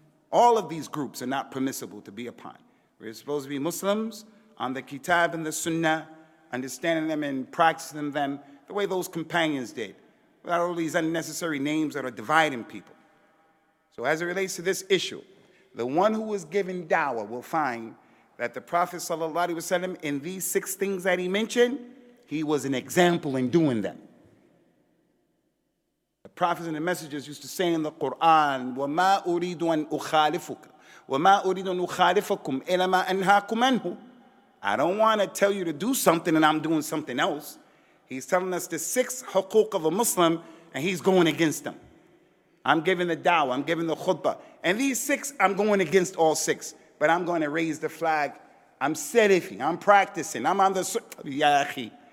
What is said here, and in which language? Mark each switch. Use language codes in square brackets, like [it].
[en] All of these groups are not permissible to be upon. We're supposed to be Muslims on the kitab and the sunnah, understanding them and practicing them the way those companions did, without all these unnecessary names that are dividing people. So as it relates to this issue, the one who was given dawah will find that the Prophet sallallahu alaihi wasallam, in these six things that he mentioned, he was an example in doing them. The prophets and the messengers used to say in the Quran, [ar] وَمَا أُرِيدُ أَنْ أُخَالِفُكَ وَمَا أُرِيدُ أَنْ أُخَالِفَكُمْ إِلَى مَا أَنْهَاكُمْ أَنْهُ. [en] I don't want to tell you to do something and I'm doing something else. He's telling us the six huquq of a Muslim and he's going against them. I'm giving the dawah, I'm giving the khutbah. And these six, I'm going against all six. But I'm going to raise the flag. I'm salafi, I'm practicing, I'm on the Ya akhi.